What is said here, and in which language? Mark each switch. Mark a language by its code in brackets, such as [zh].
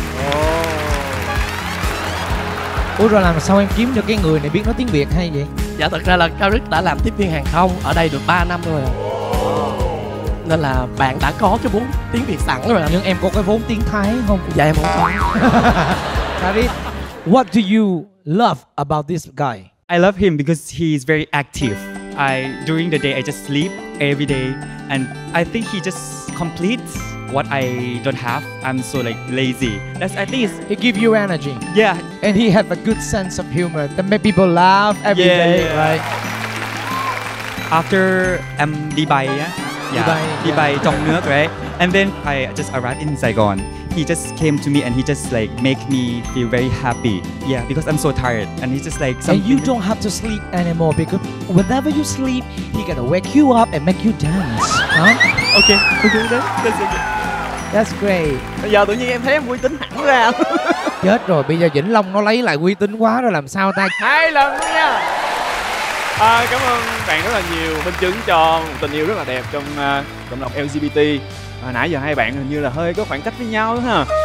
[vi] Oh. Ủa rồi làm sao em kiếm được cái người này biết nói tiếng Việt hay vậy? Dạ thật ra là Karik đã làm tiếp viên hàng không ở đây được 3 năm rồi. Nên là bạn đã có cái vốn tiếng Việt sẵn rồi. Nhưng em có cái vốn tiếng Thái không? Dạ em không có. [en] Karik, what do you love about this guy? I love him because he is very active. During the day, I just sleep every day. And I think he just completes what I don't have. I'm so like lazy. That's at least. He give you energy. Yeah. And he have a good sense of humor that make people laugh every day, yeah. Right? After I'm Dubai, yeah? Yeah. Dubai, Dubai, [vi] trong nước, [en] right? And then I just arrived in Saigon. He just came to me and he just like make me feel very happy. Yeah, because I'm so tired. And he's just like something. And you don't have to sleep anymore because whenever you sleep, he gonna wake you up and make you dance. Huh? Okay, okay, that's okay. That's great. [vi] Bây giờ tự nhiên em thấy em uy tín hẳn ra. Chết rồi, bây giờ Vĩnh Long nó lấy lại uy tín quá rồi làm sao ta? Hai lần luôn nha. Cảm ơn bạn rất là nhiều, minh chứng cho một tình yêu rất là đẹp trong cộng đồng LGBT. Nãy giờ hai bạn hình như là hơi có khoảng cách với nhau đó ha.